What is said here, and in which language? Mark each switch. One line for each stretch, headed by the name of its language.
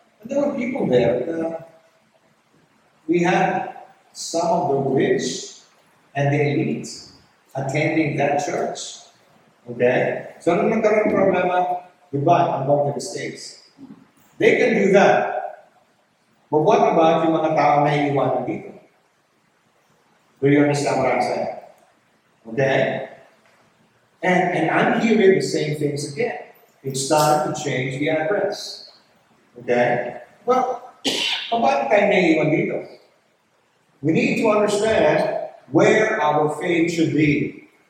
English: And there were people there. We had some of the rich and the elite attending that church. Okay? So I'm not gonna problem. Goodbye, I'm going to the States. They can do that. But what about
Filipino: yung mga tao na iniwan ng dito?
English: Do you understand what I'm saying? Okay? And I'm hearing the same things again. It's time to change the address. Okay? Well,
Filipino: paano tayo na iniwan dito?
English: We need to understand where our faith should be.